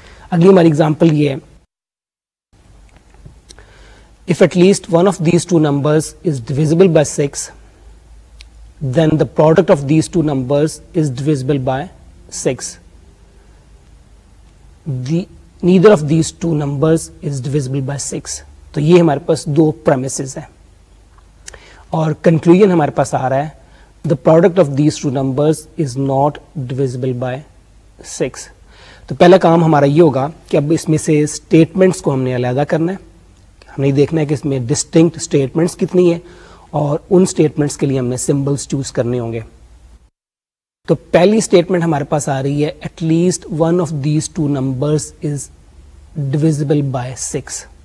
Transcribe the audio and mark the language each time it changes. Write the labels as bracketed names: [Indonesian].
[Urdu] اگلی ہماری ایگزامپل یہ ہے [English] If at least one of these two numbers is divisible by six then the product of these two numbers is divisible by six. Neither of these two numbers is divisible by six. [Urdu] تو یہ ہمارے پاس دو premises ہیں اور conclusion ہمارے پاس آ رہا ہے [English] the product of these two numbers is not divisible by 6. [Urdu] تو پہلا کام ہمارا یہ ہوگا کہ اب اس میں سے اسٹیٹمنٹس کو ہم نے علیحدہ کرنا ہے. ہم نے دیکھنا ہے کہ اس میں ڈسٹنکٹ اسٹیٹمنٹس کتنی ہیں اور ان اسٹیٹمنٹس کے لیے ہم نے سمبلس چوز کرنے ہوں گے. تو پہلی اسٹیٹمنٹ ہمارے پاس آ رہی ہے [English] At least one of these two numbers is divisible by 6.